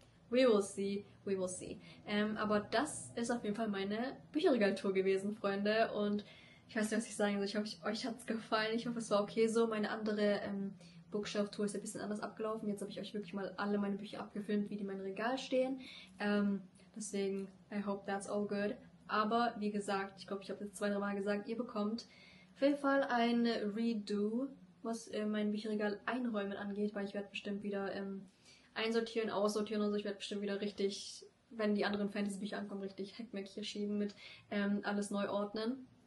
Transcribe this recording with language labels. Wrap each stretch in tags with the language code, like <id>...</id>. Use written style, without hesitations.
<en>We will see, we will see.</en> <de>Aber das ist auf jeden Fall meine Bücherregaltour gewesen, Freunde. Und ich weiß nicht, was ich sagen soll. Ich hoffe, euch hat es gefallen. Ich hoffe, es war okay so. Meine andere Bookshelf-Tour ist ein bisschen anders abgelaufen. Jetzt habe ich euch wirklich mal alle meine Bücher abgefilmt, wie die in meinem Regal stehen. Deswegen,</de> <en>I hope that's all good.</en> <de>Aber wie gesagt, ich glaube, ich habe jetzt zwei, drei Mal gesagt, ihr bekommt auf jeden Fall ein Redo, was mein Bücherregal einräumen angeht, weil ich werde bestimmt wieder einsortieren, aussortieren und so. Ich werde bestimmt wieder richtig, wenn die anderen Fantasy-Bücher ankommen, richtig Heckmeck hier schieben mit alles neu ordnen.</de>